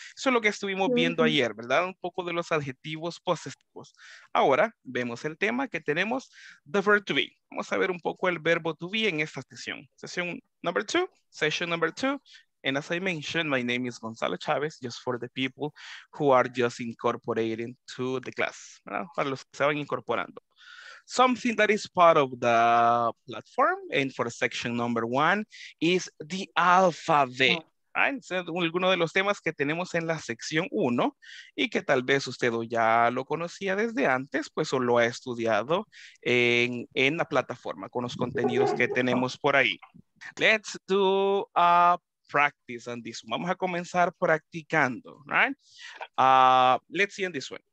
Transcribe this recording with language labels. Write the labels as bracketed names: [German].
[Spanish] Eso es lo que estuvimos viendo ayer, ¿verdad? Un poco de los adjetivos posesivos. Ahora vemos el tema que tenemos, [English] the verb to be. [Spanish] Vamos a ver un poco el verbo to be en esta sesión. [English] Sesión number two, session number two. And as I mentioned, my name is Gonzalo Chávez, just for the people who are just incorporating to the class, [Spanish] ¿verdad? Para los que se van incorporando. [English] Something that is part of the platform and for section number one is the alphabet. Right? [Spanish] So, uno de los temas que tenemos en la sección 1 y que tal vez usted ya lo conocía desde antes, pues o lo ha estudiado en la plataforma con los contenidos que tenemos por ahí. [English] Let's do a practice on this one. [Spanish] Vamos a comenzar practicando. [English] Right? Let's see on this one.